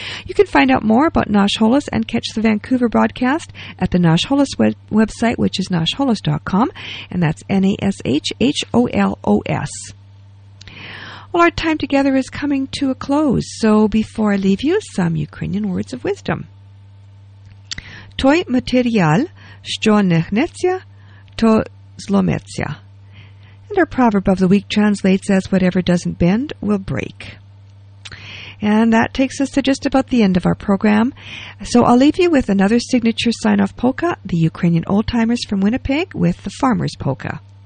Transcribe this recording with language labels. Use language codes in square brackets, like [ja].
[en] You can find out more about Nash Holos and catch the Vancouver broadcast at the Nash Holos website, which is nashholos.com, and that's NASHHOLOS. Well, our time together is coming to a close, so before I leave you, some Ukrainian words of wisdom. [uk] Той матеріал, що не гнеться, то злометься. [en] And our proverb of the week translates as, whatever doesn't bend will break. And that takes us to just about the end of our program. So I'll leave you with another signature sign-off polka, the Ukrainian old-timers from Winnipeg with the Farmer's Polka.